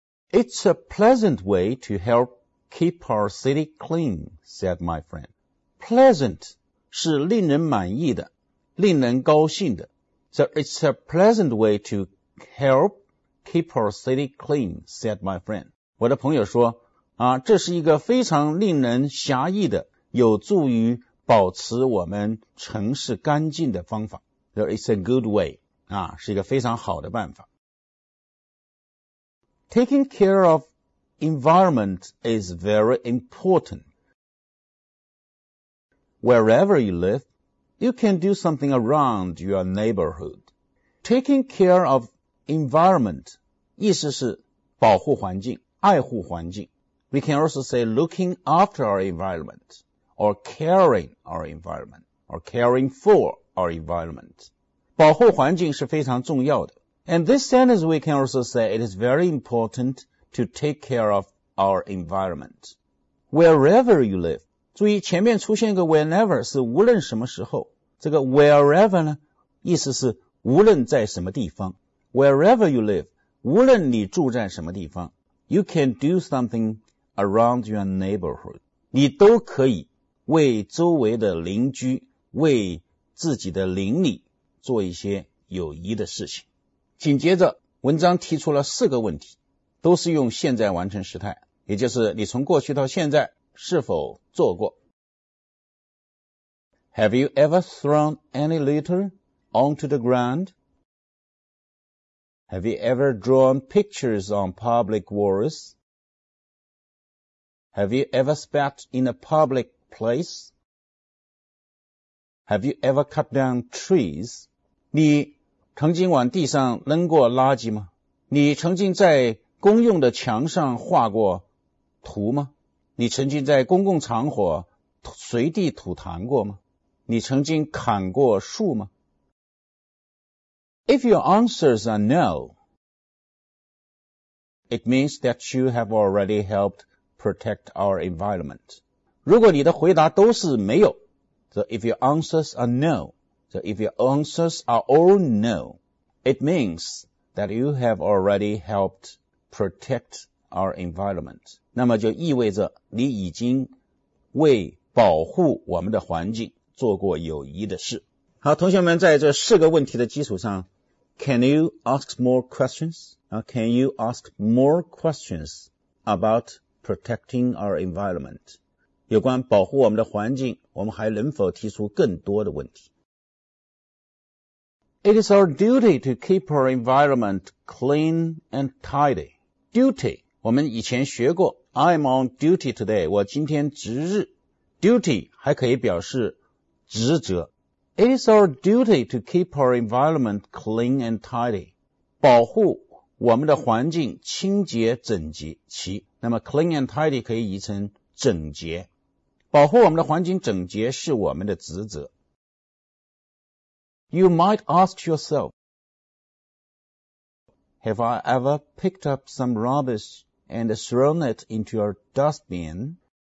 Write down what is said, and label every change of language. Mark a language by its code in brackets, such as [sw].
[en] It's a pleasant way to help keep our city clean, said my friend. [zh] Pleasant 是令人满意的，令人高兴的。 [en] So it's a pleasant way to help keep our city clean, said my friend. [zh] 我的朋友说，啊，这是一个非常令人遐意的，有助于保持我们城市干净的方法。 [en] So it's a good way. [zh] 啊，是一个非常好的办法。 [en] Taking care of environment is very important. Wherever you live, you can do something around your neighborhood. Taking care of environment, [zh] 意思是保护环境，爱护环境。 [en] We can also say looking after our environment, or caring our environment, or caring for our environment. [zh] 保护环境是非常重要的。 [en] And this sentence we can also say it is very important to take care of our environment. Wherever you live. [zh] 注意前面出现一个 whenever 是无论什么时候。这个 wherever 呢意思是无论在什么地方。 [en] Wherever you live, [zh] 无论你住在什么地方。 [en] You can do something around your neighborhood. [zh] 你都可以为周围的邻居，为自己的邻里做一些有益的事情。紧接着文章提出了四个问题，都是用现在完成时态，也就是你从过去到现在是否做过。 [en] Have you ever thrown any litter onto the ground? Have you ever drawn pictures on public walls? Have you ever spat in a public place? Have you ever cut down trees? [zh] 你曾经往地上扔过垃圾吗？你曾经在公用的墙上画过图吗？你曾经在公共场合随地吐痰过吗？你曾经砍过树吗？ [en] If your answers are no, it means that you have already helped protect our environment. [zh] 如果你的回答都是没有， [en] So if your answers are no,So if your answers are all no, it means that you have already helped protect our environment. [zh] 那么就意味着你已经为保护我们的环境做过有益的事。好，同学们在这四个问题的基础上 [en] ,Can you ask more questions? Can you ask more questions about protecting our environment? [zh] 有关保护我们的环境，我们还能否提出更多的问题？ [en] It is our duty to keep our environment clean and tidy. Duty, [zh] 我们以前学过 [en] I'm on duty today. [zh] 我今天值日。Duty 还可以表示职责。 [en] It is our duty to keep our environment clean and tidy. [zh] 保护我们的环境清洁整洁齐。那么 [en] clean and tidy [zh] 可以译成整洁。保护我们的环境整洁是我们的职责。 [en] You might ask yourself, have I ever picked up some rubbish and thrown it into your dustbin?